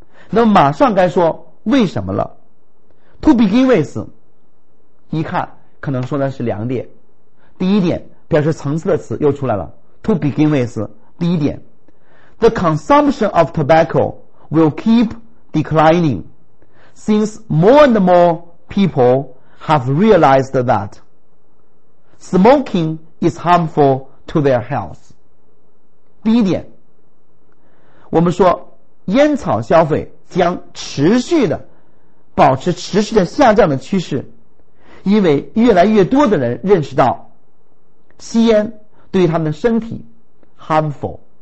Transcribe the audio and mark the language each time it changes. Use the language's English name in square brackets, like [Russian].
[Chinese] 那么马上该说为什么了。 [English] To begin with, [Chinese] 一看可能说的是两点。第一点，表示层次的词又出来了。 [English] To begin with, [Chinese] 第一点， [English] The consumption of tobacco will keep declining since more and more people have realized that smoking is harmful to their health. [Chinese] 第一点，我们说烟草消费将持续的保持持续的下降的趋势，因为越来越多的人认识到吸烟对他们的身体 harmful。